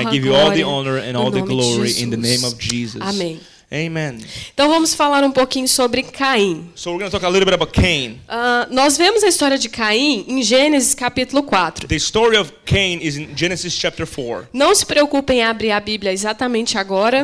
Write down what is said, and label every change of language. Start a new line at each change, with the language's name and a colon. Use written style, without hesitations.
English: and I give you all the honor and all the glory in the name of Jesus.
Portuguese: Amém.
English: Amen.
Portuguese: Então vamos falar um pouquinho sobre Caim.
English: So we're going to talk a little bit about Cain.
Portuguese: Nós vemos a história de Caim em Gênesis capítulo 4.
English: The story of Cain is in Genesis chapter 4.
Portuguese: Não se preocupem em abrir a Bíblia exatamente agora.